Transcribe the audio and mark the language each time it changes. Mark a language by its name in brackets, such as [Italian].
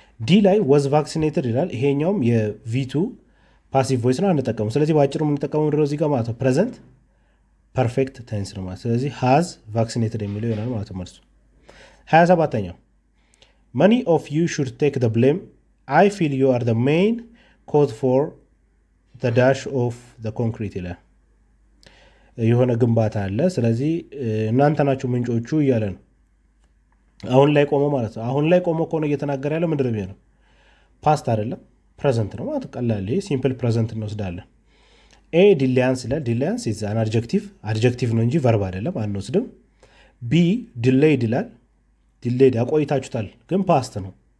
[Amharic] d ላይ [English] was vaccinated [Amharic] ይላል ይሄኛውም የv2 passive voice ነው አንተቀመው ስለዚህ ባጭሩ ምን ተቀመው ድረው እዚህ ጋር ማለት ነው present perfect tense ነው ማለት ስለዚህ [English] has vaccinated [Amharic] የሚለው ይሆናል ማለት ነው መልሱ 27ኛው [English] Many of you should take the blame. I feel you are the main cause for the dash of the concrete. [Amharic] የሆነ ግንባታ አለ ስለዚህ እናንተ ናችሁ ምንጮቹ ይያለ ነው አሁን ላይ ቆሞ ማለት አሁን ላይ ቆሞ ከሆነ እየተናገረ ያለው ምን ድረብ ነው past አይደለም present ነው ማለት ቀላል ይሄ simple present ነው ስለዳለ a delays ይላል [English] delays is an adjective adjective [Amharic] ነው እንጂ verb አይደለም አንወስድም b delayed ይላል delayed አቆይታችሁታል ግን past ነው